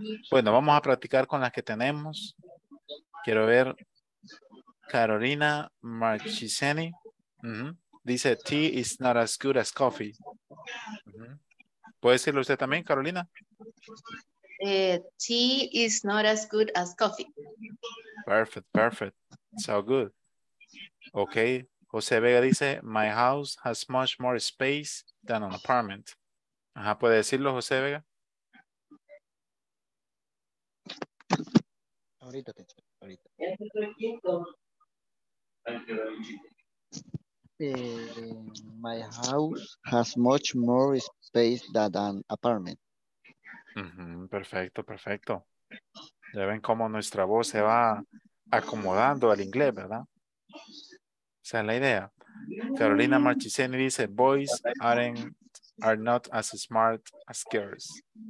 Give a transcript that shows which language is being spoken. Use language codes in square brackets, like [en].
[es] Bueno, vamos a practicar con las que tenemos. Quiero ver. [en] Carolina Marchiseni [es] dice: [en] tea is not as good as coffee. [es] ¿Puede decirlo usted también, Carolina? [en] Tea is not as good as coffee. Perfect, perfect. So good. Okay. José Vega [es] dice, [en] my house has much more space than an apartment. [es] Ajá, ¿puede decirlo, José Vega? Ahorita, ahorita. [en] My house has much more space than an apartment. [es] Perfecto, perfecto. Ya ven cómo nuestra voz se va acomodando al inglés, ¿verdad? Esa es la idea. [en] Carolina Marchiseni [es] dice, [en] boys are not as smart as girls.